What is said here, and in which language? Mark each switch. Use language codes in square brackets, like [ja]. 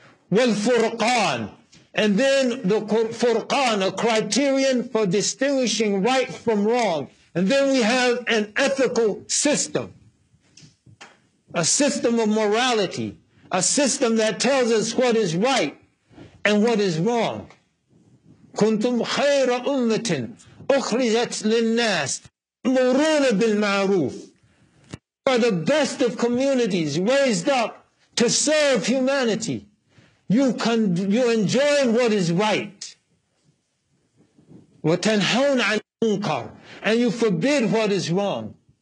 [en] Wal furqan, and then the furqan, a criterion for distinguishing right from wrong. And then we have an ethical system, a system of morality, a system that tells us what is right and what is wrong. [ar] كنتم خير أمة أخرجت للناس مرون بالمعروف. [en] You are the best of communities raised up to serve humanity. You enjoy what is right. [ar] وتنهون عن المنكر, [en] and you forbid what is wrong.